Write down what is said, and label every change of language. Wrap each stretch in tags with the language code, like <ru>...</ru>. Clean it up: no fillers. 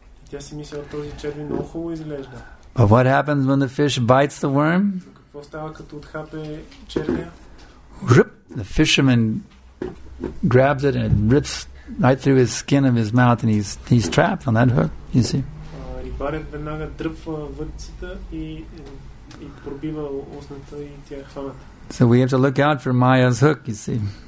<bg>Тя си мисля, този червен много хубаво изглежда.</bg> <en>But what happens when the fish bites the worm?</en> <bg>Какво става, като отхапе червия?</bg> <en>Rip! The fisherman grabs it and it rips right through his skin of his mouth and he's trapped on that hook, you see.</en> <bg>Барят веднага дръпва въдцата и и пробива устната и тя е хваната.</bg> <en>So we have to look out for Maya's hook, you see.</en>